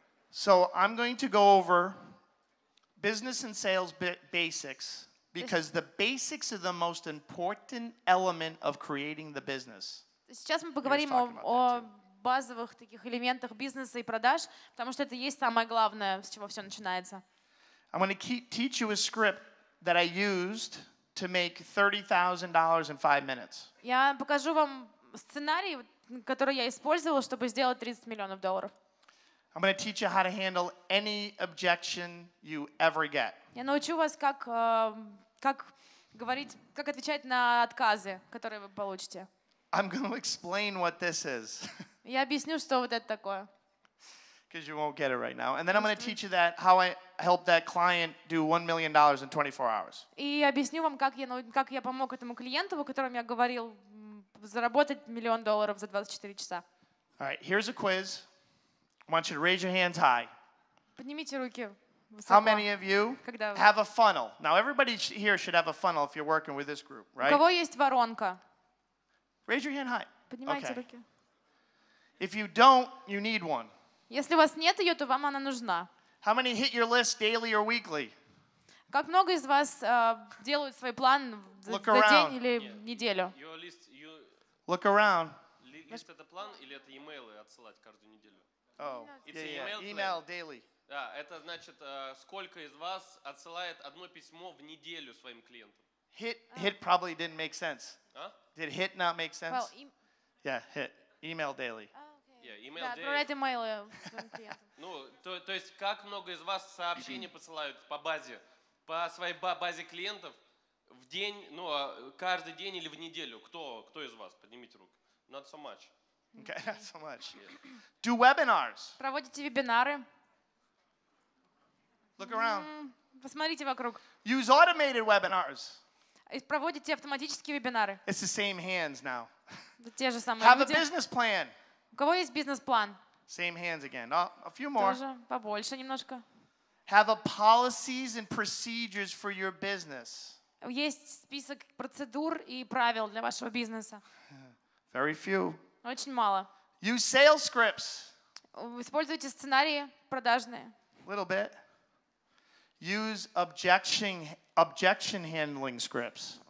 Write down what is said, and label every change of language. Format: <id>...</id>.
<en>So I'm going to go over business and sales basics, because the basics are the most important element of creating the business.</en> <ru>Сейчас мы поговорим о базовых таких элементах бизнеса и продаж, потому что это есть самое главное, с чего все начинается.</ru> <en>I'm going to teach you a script that I used to make $30,000 in 5 minutes.</en> <ru>Я покажу вам сценарий, который я использовал, чтобы сделать 30 миллионов долларов.</ru> <en>I'm going to teach you how to handle any objection you ever get.</en> <ru>Я научу вас, как говорить, как отвечать на отказы, которые вы получите.</ru> <en>I'm going to explain what this is.</en> <ru>Я объясню, что вот это такое.</ru> <en>Because you won't get it right now. And then I'm going to teach you that how I helped that client do $1 million in 24 hours.</en> <ru>И объясню вам, как я помог этому клиенту, о котором я говорил, заработать миллион долларов за 24 часа.</ru> <en>All right, here's a quiz. I want you to raise your hands high.</en> <ru>Поднимите руки.</ru> <en>How many of you have a funnel? Now, everybody here should have a funnel if you're working with this group, right?</en> <ru>У кого есть воронка?</ru> <en>Raise your hand high.</en> <ru>Поднимайте руки.</ru> <en>If you don't, you need one.</en> <ru>Если у вас нет ее, то вам она нужна.</ru> <en>How many hit your list daily or weekly?</en> <ru>Как много из вас делают свой план за день или неделю?</ru> <en>Look around.</en> <ru>List это план или это имейлы отсылать каждую неделю?</ru> <en>Oh, yeah. Email daily.</en> <ru>Да, это значит, сколько из вас отсылает одно письмо в неделю своим клиентам?</ru> <en>Hit probably didn't make sense. Did hit not make sense? Yeah, hit. Email daily.</en> <ru>Отправляйте имейлы. Ну, то есть, как много из вас сообщений посылают по базе, по своей базе клиентов в день, ну, каждый день или в неделю? Кто из вас? Поднимите руку.</ru> <en>Not so much. Okay, not so much. Do webinars.</en> <ru>Проводите вебинары.</ru> <en>Look around.</en> <ru>Посмотрите вокруг.</ru> <en>Use automated webinars.</en> <ru>Проводите автоматические вебинары.</ru> <en>It's the same hands now.</en> <ru>Те же самые.</ru> <en>Have a business plan.</en> <ru>У кого есть бизнес-план?</ru> <en>Same hands again. Oh, a few more.</en> <ru>Тоже побольше немножко.</ru> <en>Have a policies and procedures for your business.</en> <ru>Есть список процедур и правил для вашего бизнеса.</ru> <en>Very few.</en> <ru>Очень мало.</ru> <en>Use sales scripts.</en> <ru>Используйте сценарии продажные.</ru> <en>Little bit. Use objection handling scripts.</en>